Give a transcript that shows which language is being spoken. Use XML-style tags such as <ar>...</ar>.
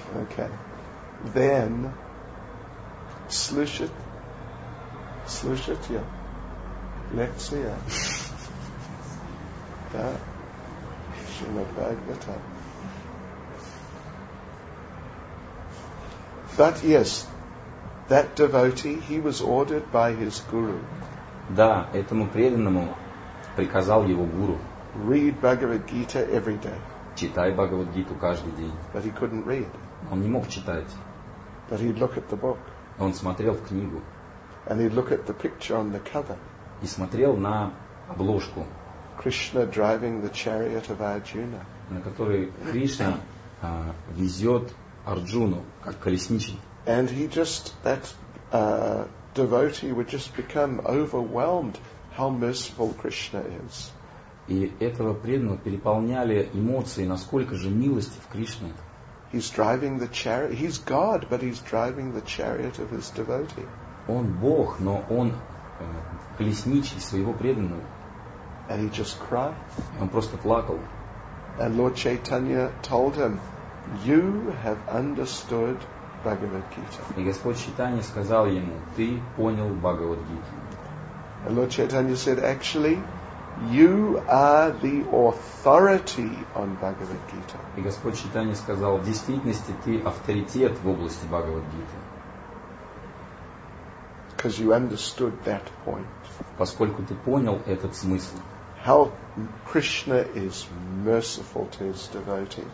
<en>Okay. Then, slushit, slushit ya, lexia, da, shimad bhagvata. But yes, that devotee, he was ordered by his guru.</en> <ru>Да, этому преданному приказал его гуру.</ru> <en>Read Bhagavad Gita every day.</en> <ru>Читай Бхагавад Гиту каждый день.</ru> <en>But he couldn't read.</en> <ru>Он не мог читать.</ru> <en>But he'd look at the book.</en> <ru>Он смотрел в книгу.</ru> <en>And he'd look at the picture on the cover.</en> <ru>И смотрел на обложку.</ru> <en>Krishna driving the chariot of Arjuna.</en> <ru>На которой Кришна везет Арджуну как колесничий.</ru> <en>And he just that devotee would just become overwhelmed. How merciful Krishna is.</en> <ru>И этого преданного переполняли эмоции, насколько же милостив Кришна.</ru> <en>He's driving the chariot. He's God, but he's driving the chariot of his devotee.</en> <ru>Он Бог, но он колесничий своего преданного.</ru> <en>And he just cried.</en> <ru>Он просто плакал.</ru> <en>And Lord Chaitanya told him, "You have understood Bhagavad Gita."</en> <ru>И Господь Чайтанья сказал ему: "Ты понял Бхагавад-гиту."</ru> <en>And Lord Chaitanya said, "Actually, you are the authority on Bhagavad Gita."</en> <ru>И Господь Чайтанья сказал: "В действительности ты авторитет в области Бхагавад-гиты."</ru> <en>Because you understood that point.</en> <ru>Поскольку ты понял этот смысл.</ru> <en>How Krishna is merciful to his devotees.</en>